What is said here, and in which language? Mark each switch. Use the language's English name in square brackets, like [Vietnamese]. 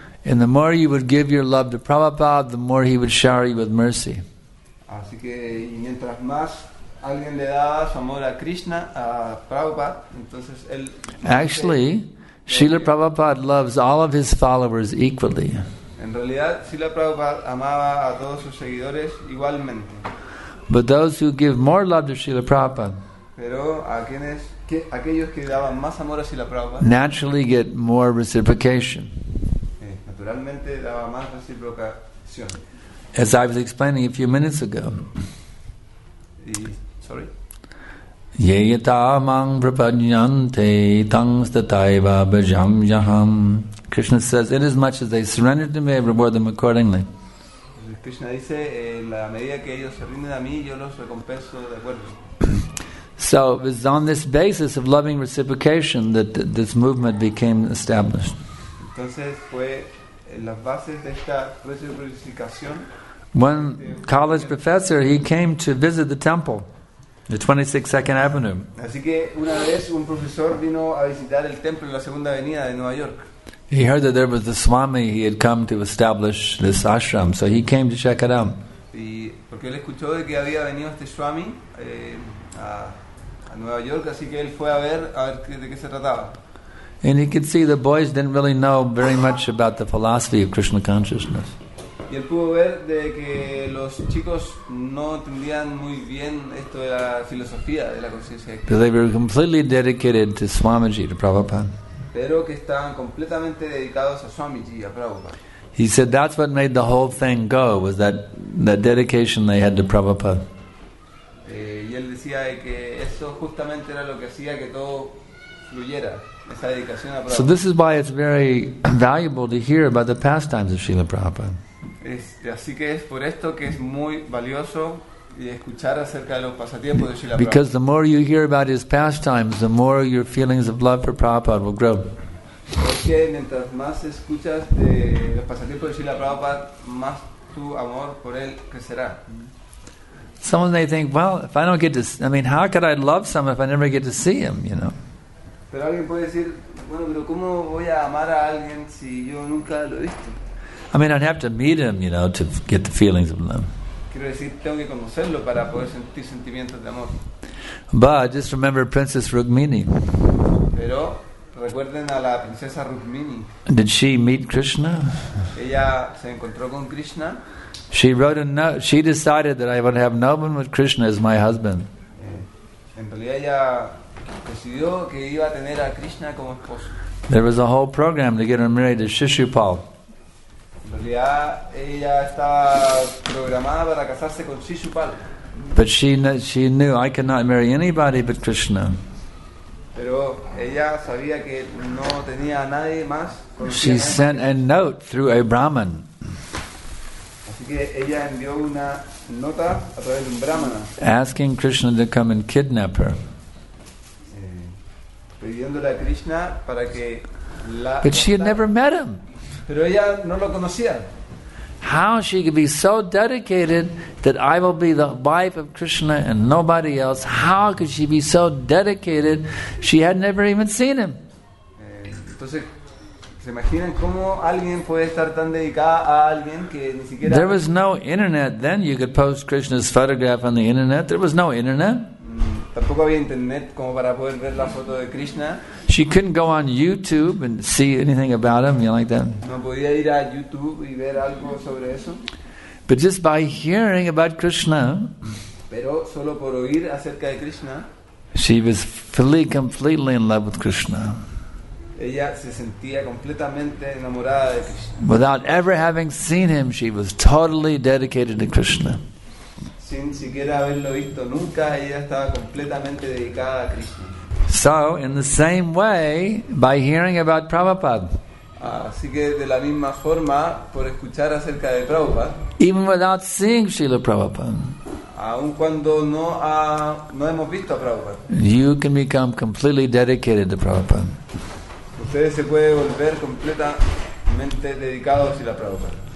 [English] And the more you would give your love to Prabhupada, the more he would shower you with mercy. [Spanish] Así que, y mientras más alguien le daba su amor a Krishna, a Prabhupada, entonces él... [English] Actually, Srila Prabhupada loves all of his followers equally. [Spanish] En realidad, Srila Prabhupada amaba a todos sus seguidores igualmente. [English] But those who give more love to Srila Prabhupada, [Spanish] pero aquellos que daban más amor a Srila Prabhupada, [English] naturally get more reciprocation. [Spanish] Naturalmente daba más reciprocación. [English] As I was explaining a few minutes ago. Sorry. [Sanskrit] Ye tamang prapanyante tangstataiva bhajam jaham. [English] Krishna says, inasmuch as they surrender to me, I reward them accordingly. [Spanish] Krishna dice, en la medida que ellos se rinden a mí, yo los recompenso de acuerdo. [English] So it was on this basis of loving reciprocation that this movement became established. [Spanish] Entonces fue en las bases de esta reciprocación. [English] One college professor, he came to visit the temple. The 26th Second Avenue. [Spanish] Así que una vez un profesor vino a visitar el templo en la Segunda Avenida de Nueva York. [English] He heard that there was a Swami he had come to establish this ashram, so he came to check it out. [Spanish] Y porque él escuchó de que había venido este Swami a Nueva York, así que él fue a ver de qué se trataba. [English] And he could see the boys didn't really know very much about the philosophy of Krishna consciousness. [Spanish] Y él pudo ver de que los chicos no entendían muy bien esto de la filosofía de la conciencia. Pero [English] they were completely dedicated to Swamiji, to Prabhupada. [Spanish] Pero que estaban completamente dedicados a Swamiji, a Prabhupada. [English] He said that's what made the whole thing go, was that dedication they had to Prabhupada. [Spanish] Y él decía de que eso justamente era lo que hacía que todo fluyera. [English] So this is why it's very valuable to hear about the pastimes of Srila Prabhupada. [Spanish] Así que es por esto que es muy valioso escuchar acerca de los pasatiempos de Srila Prabhupada. [English] Because the more you hear about his pastimes, the more your feelings of love for Prabhupada will grow. [Spanish] Porque mientras más escuchas de los pasatiempos de Srila Prabhupada, más tu amor por él crecerá. [English] Someone may think, well, if I don't get to, I mean, how could I love someone if I never get to see him, you know? [Spanish] Pero alguien puede decir, bueno, pero ¿cómo voy a amar a alguien si yo nunca lo he visto? [English] I mean, I'd have to meet him, you know, to get the feelings of love. [Spanish] Quiero decir, tengo que conocerlo para poder sentir sentimientos de amor. [English] But just remember Princess Rukmini. [Spanish] Pero recuerden a la princesa Rukmini. [English] Did she meet Krishna? [Spanish] Ella se encontró con Krishna. [English] She wrote a note. She decided that I would have no one with Krishna as my husband. [Spanish] En realidad ella decidió que iba a tener a Krishna como esposo. [English] There was a whole program to get her married to Shishupal. [Spanish] En realidad ella estaba programada para casarse con Shishupal. [English] But she knew I cannot marry anybody but Krishna. [Spanish] Pero ella sabía que no tenía a nadie más. [English] She sent a note through a Brahmin. [Spanish] Ella envió una nota a través de un brahmana, [English] asking Krishna to come and kidnap her. [Spanish] Pidiéndole a Krishna para que la. [English] But she had never met him. [Spanish] Pero ella no lo conocía. [English] How she could be so dedicated that I will be the wife of Krishna and nobody else? How could she be so dedicated? She had never even seen him. [Spanish] Entonces, ¿se imaginan cómo alguien puede estar tan dedicada a alguien que ni siquiera? [English] There was no internet then. You could post Krishna's photograph on the internet. There was no internet. [Spanish] Tampoco había internet como para poder ver la foto de Krishna. [English] She couldn't go on YouTube and see anything about him, you know, like that. [Spanish] No podía ir a YouTube y ver algo sobre eso. [English] But just by hearing about Krishna, [Spanish] pero solo por oír acerca de Krishna, [English] she was fully, completely in love with Krishna. [Spanish] Ella se sentía completamente enamorada de Krishna. [English] Without ever having seen him, she was totally dedicated to Krishna. [Spanish] Sin siquiera haberlo visto nunca, ella estaba completamente dedicada a Krishna. [English] So, in the same way, by hearing about Prabhupada. [Spanish] Así que de la misma forma, por escuchar acerca de Prabhupada. [English] Even without seeing Srila Prabhupada. [Spanish] Aun cuando no hemos visto a Prabhupada. [English] You can become completely dedicated to Prabhupada. [Spanish] Ustedes se pueden volver completamente dedicados a la Prabhupada.